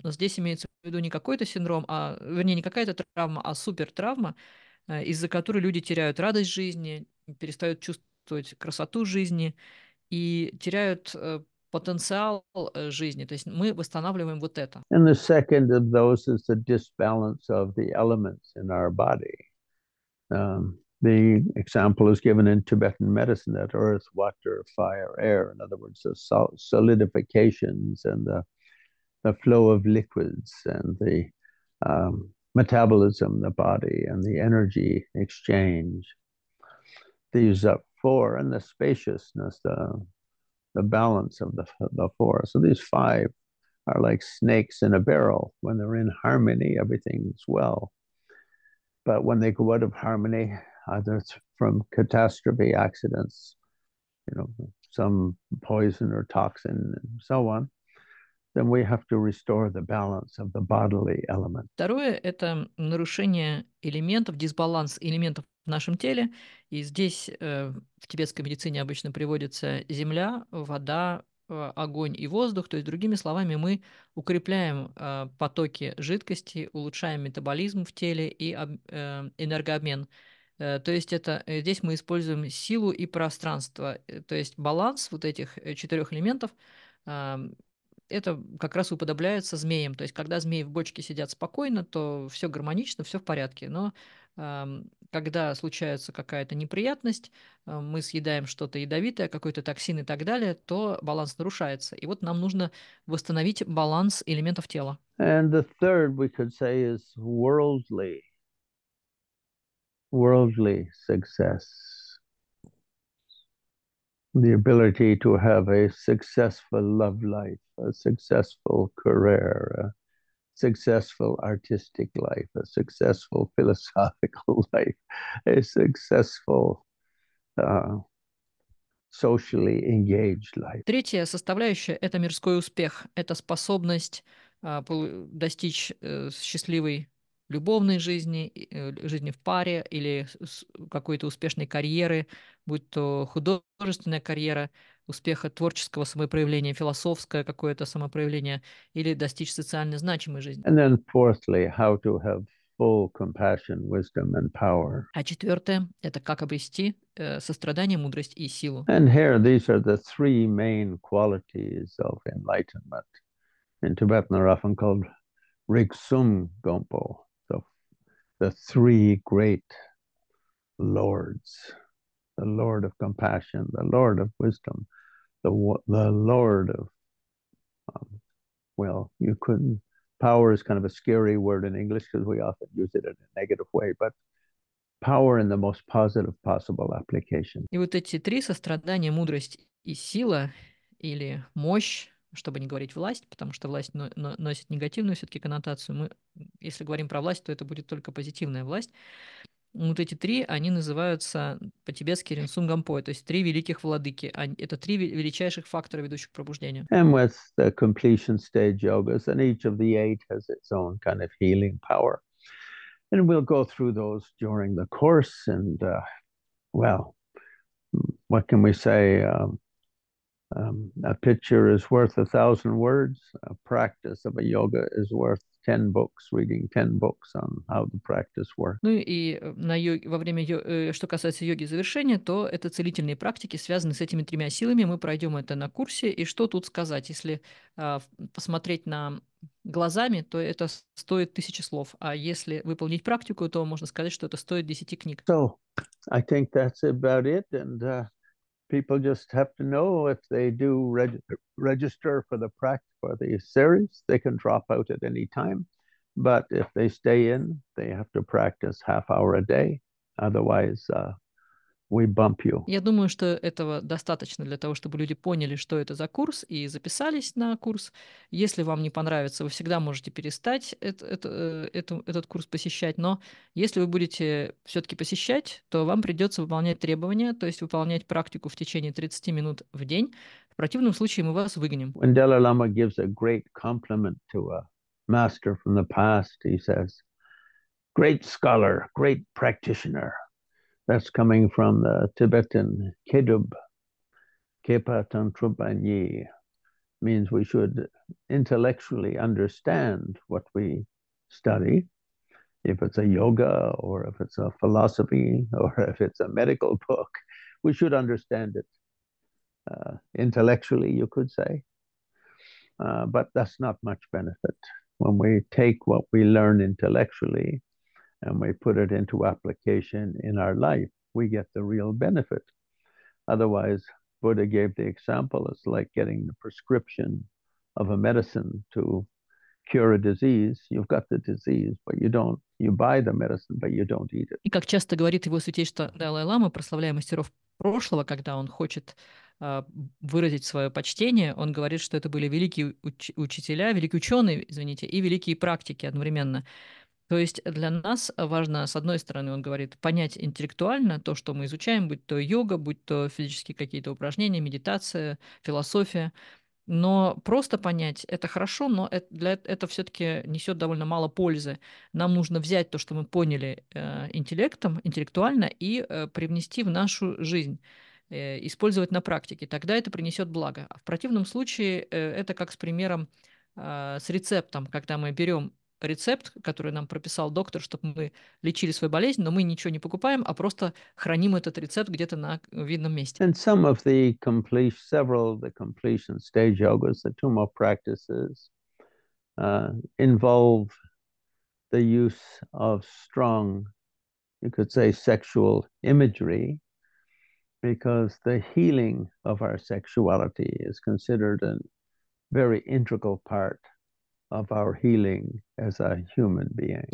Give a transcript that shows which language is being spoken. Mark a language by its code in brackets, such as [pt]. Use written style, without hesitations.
[ru] Но здесь имеется в виду не какой-то синдром, а вернее, не какая-то травма, а супертравма, из-за которой люди теряют радость жизни, перестают чувствовать красоту жизни и теряют потенциал жизни. То есть мы восстанавливаем вот это. [en] And the second of those is the disbalance of the elements in our body. The example is given in Tibetan medicine that earth, water, fire, air, in other words, the solidifications and the flow of liquids and the metabolism, the body, and the energy exchange. These are four, and the spaciousness, the balance of the four. So these five are like snakes in a barrel. When they're in harmony, everything's well. But when they go out of harmony, either from catastrophe, accidents, you know, some poison or toxin, and so on, then we have to restore the balance of the bodily element. [ru] Второе – это нарушение элементов, дисбаланс элементов в нашем теле. И здесь в тибетской медицине обычно приводится земля, вода, огонь и воздух. То есть, другими словами, мы укрепляем потоки жидкости, улучшаем метаболизм в теле и энергообмен. То есть это здесь мы используем силу и пространство. То есть баланс вот этих четырех элементов, это как раз уподобляется змеям. То есть когда змеи в бочке сидят спокойно, то все гармонично, все в порядке. Но когда случается какая-то неприятность, мы съедаем что-то ядовитое, какой-то токсин и так далее, то баланс нарушается. И вот нам нужно восстановить баланс элементов тела. [en] And the third, we could say, is worldly. Worldly success. The ability to have a successful love life, a successful career, a successful artistic life, a successful philosophical life, a successful socially engaged life. [ru] Третья составляющая – это мирской успех. Это способность достичь счастливой любовной жизни, жизни в паре или какой-то успешной карьеры, будь то художественная карьера, успеха творческого самопроявления, философское какое-то самопроявление или достичь социально значимой жизни. [en] And then fourthly, how to have full compassion, wisdom and power. [ru] А четвертое – это как обрести сострадание, мудрость и силу. [en] And here these are the three main qualities of enlightenment. In Tibetan, they're often called Riksum Gompo, the three great lords, the lord of compassion, the lord of wisdom, the lord of, well, you couldn't, power is kind of a scary word in English because we often use it in a negative way, but power in the most positive possible application. [ru] И вот эти три, сострадание, мудрость и сила, или мощь, чтобы не говорить власть, потому что власть носит негативную все-таки коннотацию. Мы, если говорим про власть, то это будет только позитивная власть. Вот эти три, они называются по-тибетски Ринсун Гампой, то есть три великих владыки. Это три величайших фактора, ведущих к пробуждению. [en] And with the completion stage yogas, and each of the eight has its own kind of healing power. And we'll go through those during the course. And, well, what can we say? A picture is worth a thousand words. A practice of a yoga is worth 10 books, reading 10 books on how the practice works. [ru] Ну и на йоге, во время, что касается йоги завершения, то это целительные практики, связанные с этими тремя силами. Мы пройдем это на курсе. И что тут сказать? Если посмотреть на глазами, то это стоит тысячи слов. А если выполнить практику, то можно сказать, что это стоит 10 книг. [en] So, I think that's about it. And people just have to know if they do register for the practice for the series, they can drop out at any time. But if they stay in, they have to practice half hour a day. Otherwise, we bump you. [ru] Я думаю, что этого достаточно для того, чтобы люди поняли, что это за курс, и записались на курс. Если вам не понравится, вы всегда можете перестать этот курс посещать. Но если вы будете все-таки посещать, то вам придется выполнять требования, то есть выполнять практику в течение 30 минут в день. В противном случае мы вас выгоним. [en] When Dalai Lama gives a great compliment to a master from the past, he says, great scholar, great practitioner. That's coming from the Tibetan [bo] Kedub, Kepa Tantrupa Nyi, [en] means we should intellectually understand what we study, if it's a yoga, or if it's a philosophy, or if it's a medical book, we should understand it intellectually, you could say, but that's not much benefit. When we take what we learn intellectually, and we put it into application in our life, we get the real benefit. Otherwise, Buddha gave the example, it's like getting the prescription of a medicine to cure a disease. You've got the disease, but you buy the medicine, but you don't eat it. [ru] И как часто говорит его святейшество Далай-Лама, прославляя мастеров прошлого, когда он хочет выразить свое почтение, он говорит, что это были великие учителя, великие ученые, извините, и великие практики одновременно. То есть для нас важно, с одной стороны, он говорит, понять интеллектуально то, что мы изучаем, будь то йога, будь то физические какие-то упражнения, медитация, философия. Но просто понять это хорошо, но это все-таки несет довольно мало пользы. Нам нужно взять то, что мы поняли интеллектом, интеллектуально, и привнести в нашу жизнь. использовать на практике, тогда это принесет благо. А в противном случае это как с примером с рецептом, когда мы берем рецепт, который нам прописал доктор, чтобы мы лечили свою болезнь, но мы ничего не покупаем, а просто храним этот рецепт где-то на видном месте. [en] And some of the completion, several of the completion stage yogas, the tummo practices, involve the use of strong, you could say, sexual imagery, because the healing of our sexuality is considered a very integral part of our healing as a human being.